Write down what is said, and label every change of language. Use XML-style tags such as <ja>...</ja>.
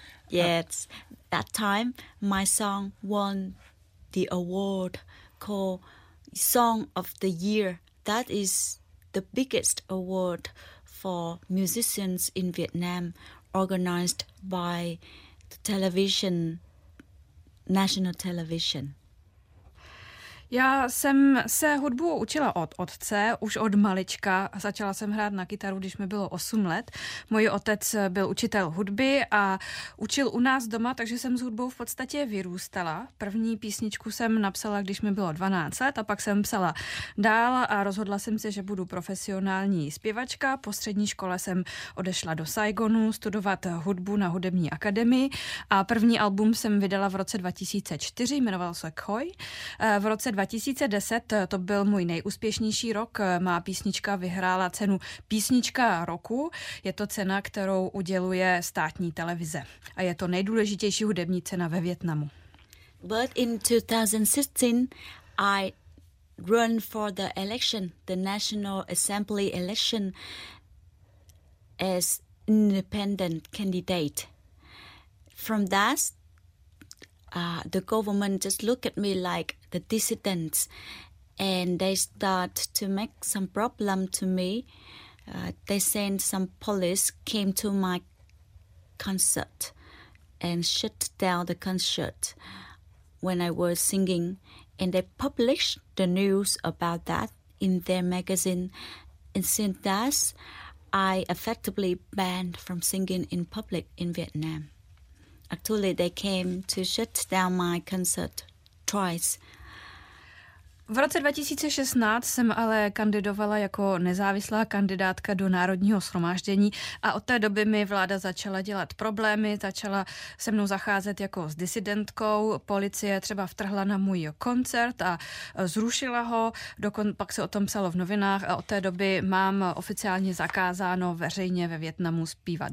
<en>Yes, that time my song won the award called Song of the Year. That is the biggest award for musicians in Vietnam, organized by the television, national television.</en> <cs>Já jsem se hudbu učila od otce, už od malička. Začala jsem hrát na kytaru, když mi bylo 8 let. Můj otec byl učitel hudby a učil u nás doma, takže jsem s hudbou v podstatě vyrůstala. První písničku jsem napsala, když mi bylo 12 let, a pak jsem psala dál a rozhodla jsem se, že budu profesionální zpěvačka. Po střední škole jsem odešla do Saigonu studovat hudbu na hudební akademii a první album jsem vydala v roce 2004, jmenoval se Koi. V roce 2010, to byl můj nejúspěšnější rok. Má písnička vyhrála cenu Písnička roku. Je to cena, kterou uděluje státní televize. A je to nejdůležitější hudební cena ve Vietnamu.</cs> <en>But in 2016, I run for the election, the National Assembly election, as independent candidate. From that, the government just look at me like the dissidents, and they start to make some problem to me. They send some police came to my concert and shut down the concert when I was singing, and they published the news about that in their magazine. And since that, I effectively banned from singing in public in Vietnam. Actually, they came to shut down my concert twice.</en> <cs>V roce 2016 jsem ale kandidovala jako nezávislá kandidátka do Národního shromáždění a od té doby mi vláda začala dělat problémy, začala se mnou zacházet jako s disidentkou, policie třeba vtrhla na můj koncert a zrušila ho, pak se o tom psalo v novinách a od té doby mám oficiálně zakázáno veřejně ve Vietnamu zpívat.</cs>